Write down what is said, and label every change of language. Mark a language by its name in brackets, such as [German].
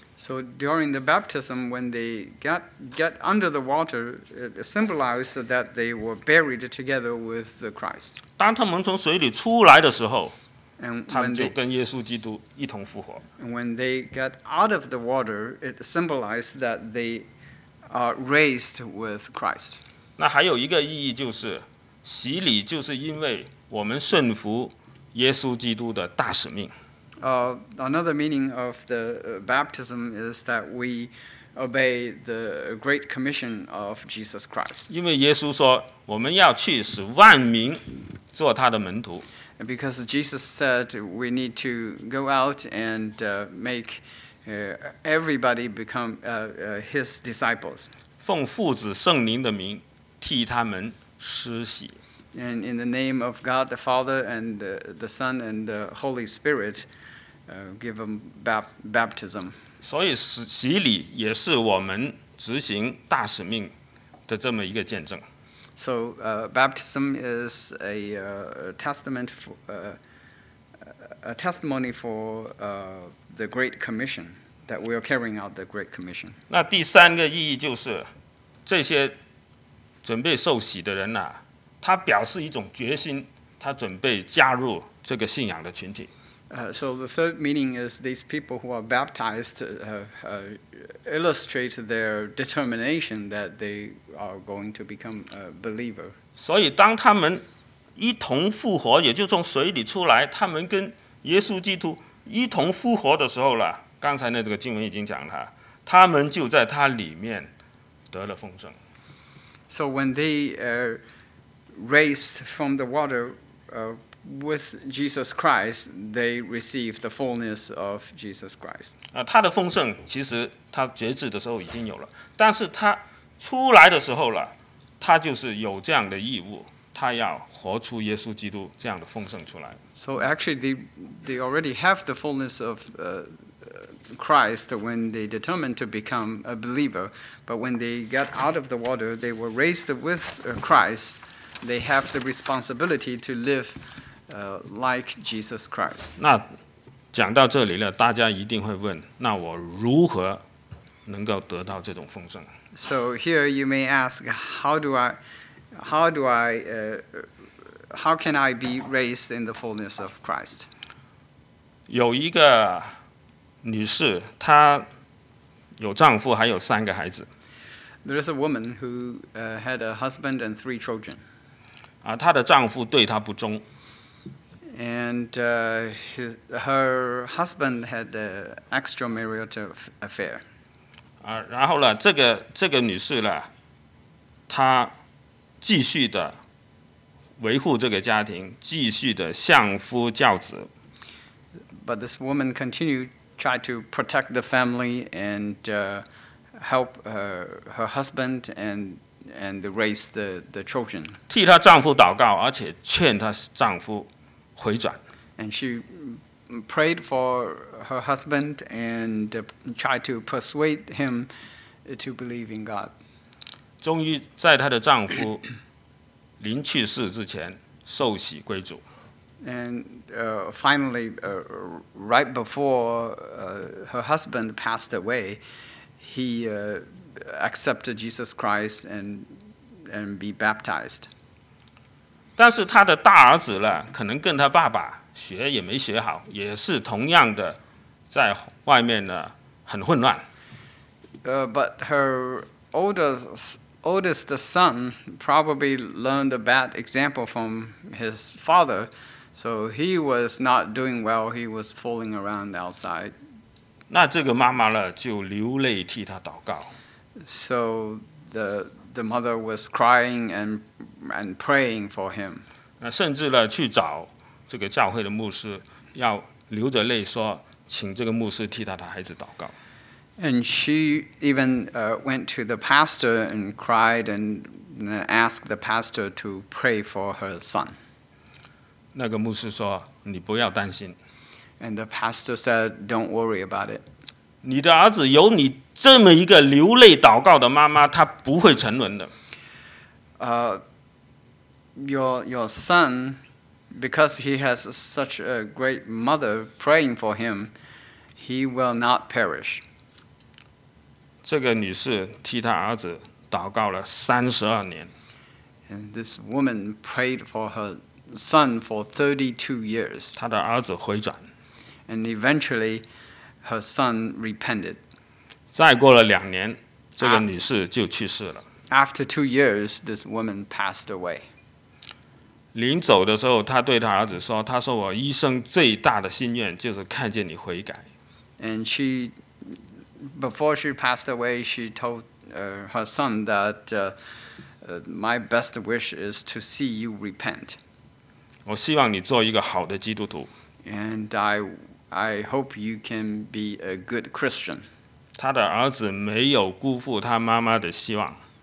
[English] So during the baptism, when they get under the water, it symbolized that they were buried together with Christ. [Chinese] 当他们从水里出来的时候，他们就跟耶稣基督一同复活。 [English] When they get out of the water, it symbolized that they are raised with Christ. [Chinese] 那还有一个意义就是，洗礼就是因为我们顺服耶稣基督的大使命。 [English] Another meaning of the baptism is that we obey the great commission of Jesus Christ. [Chinese] 因为耶稣说，我们要去使万民做他的门徒。 [English] Because Jesus said we need to go out and make everybody become his disciples. [Chinese] 奉父子圣灵的名替他们施洗。 [English] And in the name of God the Father and the Son and the Holy Spirit, give them baptism. [Chinese] 所以洗礼也是我们执行大使命的这么一个见证。 [English] So baptism is a testimony for the Great Commission that we are carrying out the Great Commission. [Chinese] 那第三个意义就是，这些准备受洗的人呐、他表示一种决心，他准备加入这个信仰的群体。 [English] So the third meaning is these people who are baptized illustrate their determination that they are going to become a believer. [Chinese] 所以当他们一同复活，也就从水里出来，他们跟耶稣基督一同复活的时候了，刚才那个经文已经讲了，他们就在他里面得了丰盛。 [English] So when they are raised from the water, with Jesus Christ, they receive the fullness of Jesus Christ. [Chinese] 他的丰盛其实他觉知的时候已经有了，但是他出来的时候了，他就是有这样的义务，他要活出耶稣基督这样的丰盛出来。 [English] So actually, they already have the fullness of Christ when they determined to become a believer. But when they got out of the water, they were raised with Christ. They have the responsibility to live like Jesus Christ. [Chinese] 那讲到这里了，大家一定会问，那我如何能够得到这种丰盛？ [English] So here you may ask, how can I be raised in the fullness of Christ? [Chinese] 有一个女士，她有丈夫，还有三个孩子。 [English] There is a woman who had a husband and three children. [Chinese] 她的丈夫对她不忠。 [English] And her husband had an extramarital affair. [Chinese] 然后呢，这个女士呢，她继续的维护这个家庭，继续的相夫教子。 [English] But this woman continued try to protect the family and help her husband and raise the children. [Chinese] 替她丈夫祷告，而且劝她丈夫回转。 [English] And she prayed for her husband and tried to persuade him to believe in God. [Chinese] 终于在她的丈夫临去世之前受洗归主。 [English] And finally, right before her husband passed away, he accepted Jesus Christ and be baptized. [Chinese] 但是他的大儿子呢，可能跟他爸爸学也没学好，也是同样的，在外面呢很混乱。 [English] But her oldest son probably learned a bad example from his father. So he was not doing well. He was fooling around outside. [Chinese] 那这个妈妈呢，就流泪替他祷告。 [English] So the mother was crying and praying for him. [Chinese] 那甚至呢，去找这个教会的牧师，要流着泪说，请这个牧师替他的孩子祷告。 [English] And she even went to the pastor and cried and asked the pastor to pray for her son. [Chinese] 那个牧师说：“你不要担心。” [English] And the pastor said, "Don't worry about it." [Chinese] 你的儿子有你这么一个流泪祷告的妈妈，他不会沉沦的。 [English] Your son, because he has such a great mother praying for him, he will not perish. [Chinese] 这个女士替她儿子祷告了32年。 [English] And this woman prayed for her son for 32 years. [Chinese] 他的儿子回转。 [English] And eventually, her son repented. [Chinese] 再过了两年，这个女士就去世了。 [English] After 2 years, this woman passed away. [Chinese] 临走的时候，她对她儿子说：“她说我一生最大的心愿就是看见你悔改。” [English] And she, before she passed away, she told her son that my best wish is to see you repent. [Chinese] 我希望你做一个好的基督徒。 [English] And I hope you can be a good Christian. [Chinese] 他的儿子没有辜负他妈妈的希望。